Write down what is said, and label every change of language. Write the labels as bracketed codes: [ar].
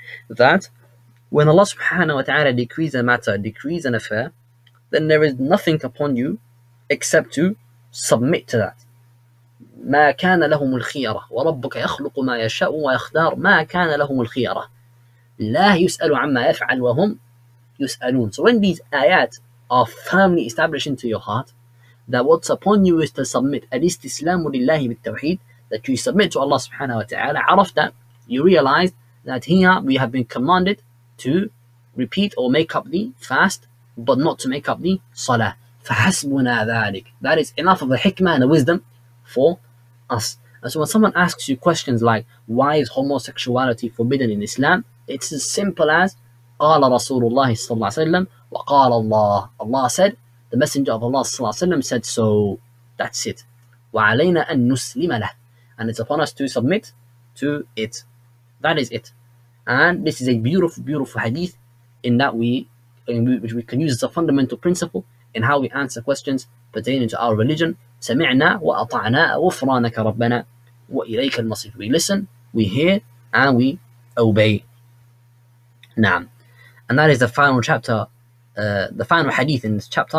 [en] That when Allah subhanahu wa ta'ala decrees a matter, decrees an affair, then there is nothing upon you except to submit to that. [ar] ما كان لهم الخيرة وربك يخلق ما يشاء ويختار ما كان لهم الخيرة لا يسأل عما يفعل وهم يسألون. [en] So when these ayat are firmly established into your heart, that what's upon you is to submit, at least [ar] إسلام لله بالتوحيد, [en] that you submit to Allah subhanahu wa ta'ala, عرفت, you realize that here we have been commanded to repeat or make up the fast, but not to make up the salah. [ar] فحسبنا ذلك. [en] That is enough of the hikmah and the wisdom for us. And so when someone asks you questions like, why is homosexuality forbidden in Islam? It's as simple as, [ar] قال رسول الله صلى الله عليه وسلم وقال الله. [en] Allah said, the Messenger of Allah [ar] صلى الله عليه وسلم [en] said so. That's it. [ar] وعلينا أن نسلم له. [en] And it's upon us to submit to it. That is it. And this is a beautiful, beautiful hadith which we can use as a fundamental principle in how we answer questions pertaining to our religion. [ar] سمعنا وأطعنا وفرانك ربنا وإليك المصير. [en] We listen, we hear, and we obey. نعم. And that is the final chapter, the final hadith in this chapter.